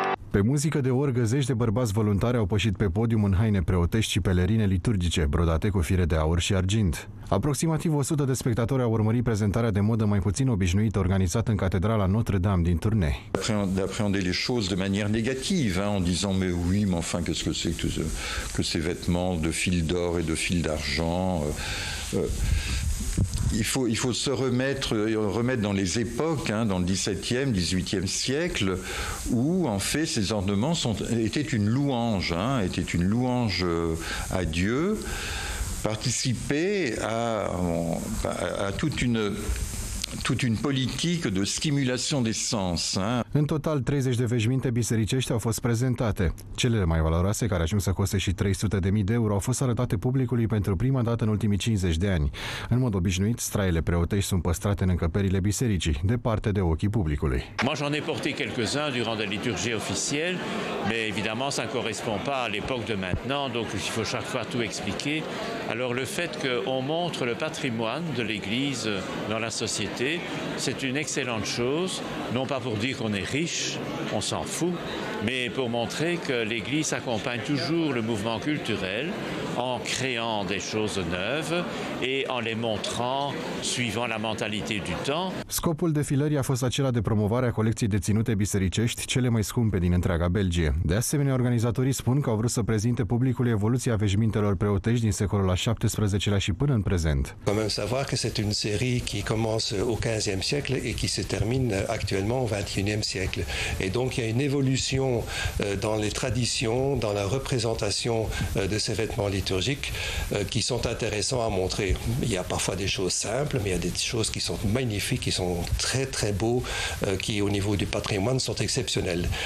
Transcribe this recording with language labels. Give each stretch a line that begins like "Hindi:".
Romanian: Pe muzică de orgă, zeci de bărbați voluntari au pășit pe podium în haine preotești și pelerine liturgice, brodate cu fire de aur și argint. Aproximativ 100 de spectatori au urmărit prezentarea de modă mai puțin obișnuită organizată în Catedrala Notre-Dame din Tournai.
French: D'appréhender les choses de manière négative, hein, en disant mais oui, mais enfin qu'est-ce que c'est que, que ces vêtements de fil d'or et de fil d'argent. Il faut se remettre dans les époques, hein, dans le 17e, 18e siècle, où en fait ces ornements étaient une louange à Dieu, participaient à toute une politique de stimulation des sens. Hein.
Romanian: În total, 30 de veșminte bisericești au fost prezentate. Cele mai valoroase, care ajung să coste și 300.000 de euro, au fost arătate publicului pentru prima dată în ultimii 50 de ani. În mod obișnuit, straile preotești sunt păstrate în încăperile bisericii, departe de ochii publicului.
French: Moi, j'en ai porté quelques-uns durant la liturgie officielle, mais évidemment, ça ne correspond pas à l'époque de maintenant, donc il faut chaque fois tout expliquer. Alors, le fait qu'on montre le patrimoine de l'Église dans la société, c'est une excellente chose, non pas pour dire qu'on est riche, on s'en fout, mais pour montrer que l'Église accompagne toujours le mouvement culturel en créant des choses neuves et en les montrant suivant la mentalité du temps.
Romanian: Scopul defilării a fost acela de promovare a colecției de ținute bisericești, cele mai scumpe din întreaga Belgie. De asemenea, organizatorii spun că au vrut să prezinte publicului evoluția veșmintelor preotești din secolul al XVII-lea și până în prezent.
French: Comment savoir que c'est une série qui commence au 15e siècle et qui se termine actuellement au 21e siècle. Et donc il y a une évolution dans les traditions, dans la représentation de ces vêtements liturgiques qui sont intéressants à montrer. Il y a parfois des choses simples, mais il y a des choses qui sont magnifiques, qui sont très très beaux, qui au niveau du patrimoine sont exceptionnelles.